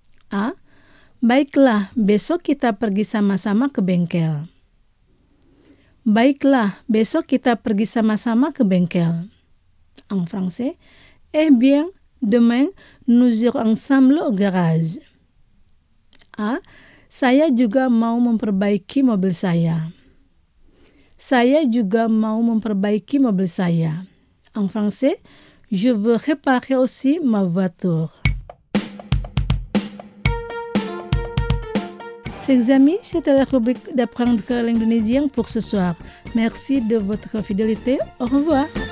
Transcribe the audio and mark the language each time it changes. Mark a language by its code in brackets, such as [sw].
[id] A, baiklah, besok kita pergi sama-sama ke bengkel. Baiklah, besok kita pergi sama-sama ke bengkel. [fr] En français, eh bien, demain, nous irons ensemble au garage. [id] A, saya juga mau memperbaiki mobil saya. Saya juga mau memperbaiki mobil saya. [fr] En français, je veux réparer aussi ma voiture. Chers amis, c'était la rubrique d'apprendre l'indonésien pour ce soir. Merci de votre fidélité. Au revoir.